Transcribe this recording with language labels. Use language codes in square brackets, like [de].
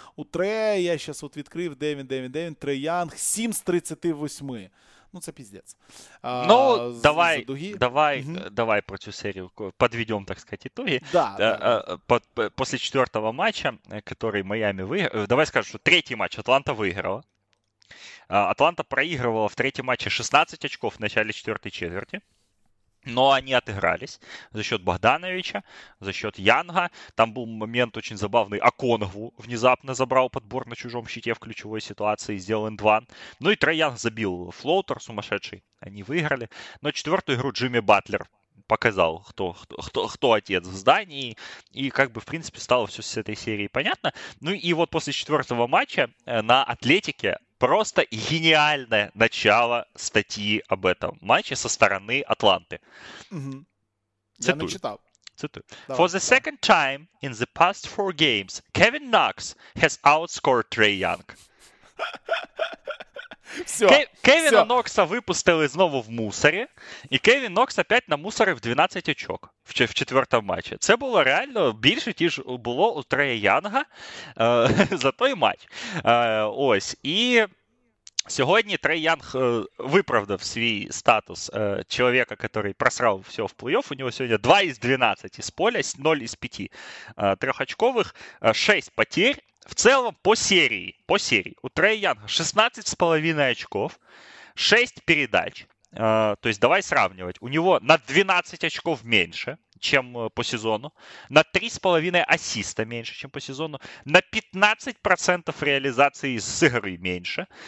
[uk] У Трея, я зараз от відкрив, дев'ять, Трей Янг, 7 з 38. Ну, це піздець. Ну, давай, давай, давай про цю серію підведем, так сказати, ітоги. Да, після четвертого матча, який Майамі виграв, давай скажу, що третій матч Атланта виграла. [ru] Атланта проигрывала в третьем матче 16 очков в начале четвертой четверти. Но они отыгрались за счет Богдановича, за счет Янга. Там был момент очень забавный. Аконгву внезапно забрал подбор на чужом щите в ключевой ситуации. Сделал эндван. Ну и Трей Янг забил флоутер сумасшедший. Они выиграли. Но четвертую игру Джимми Батлер показал, кто отец в здании. И как бы, в принципе, стало все с этой серией понятно. Ну и вот после четвертого матча на Атлетике просто гениальное начало статьи об этом матче со стороны Атланты. Цитую. Я начитал. Цитую. Давай, For the давай. [en] Second time in the past four games, Kevin Knox has outscored Trae Young. [ru] Все, [uk] Кевіна все. Нокса випустили знову в мусорі, і Кевін Нокс опять намусорив 12 очок в четвертому матчі. Це було реально більше, ніж було у Трея Янга за той матч. Ось, і сьогодні Трей Янг виправдав свій статус чоловіка, який просрав все в плей-офф. У нього сьогодні 2 із 12 з поля, 0 із 5 трьохочкових, 6 потерь. [ru] В целом, по серии, у Трея Янга 16,5 очков, 6 передач. То есть, давай сравнивать. У него на 12 очков меньше, чем по сезону. На 3,5 ассиста меньше, чем по сезону. На 15% реализации с игры меньше.